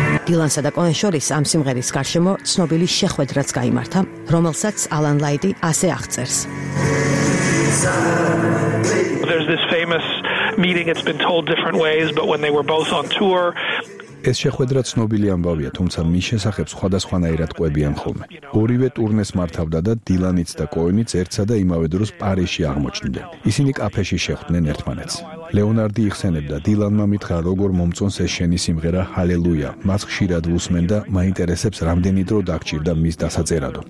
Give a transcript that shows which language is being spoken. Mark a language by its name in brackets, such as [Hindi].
[Georgian] დილანსა და კოენ შორის ამ სიმღერის გარშემო ცნობილი შეხვედრაც გაიმართა, რომელსაც ალან ლაიტი ასე აღწერს. [English] There's this famous meeting, it's been told different ways, but when they were both on tour. [Georgian] ეს შეხვედრა ცნობილი ამბავია, თუმცა მის შესახებ სხვადასხვანაირად ყვებიან ხოლმე. ორივე ტურნეს მართავდა და დილანიც და კოენიც ერთსა და იმავე დროს პარიზში აღმოჩნდნენ. ისინი კაფეში შეხვდნენ ერთმანეთს. ლეონარდი იხსენებდა, დილანმა მითხრა, როგორ მომწონს ეს შენი სიმღერა ჰალელუია, მას ხშირად უსმენ და მაინტერესებს რამდენი დრო დაგჭირდა მის დასაწერადო.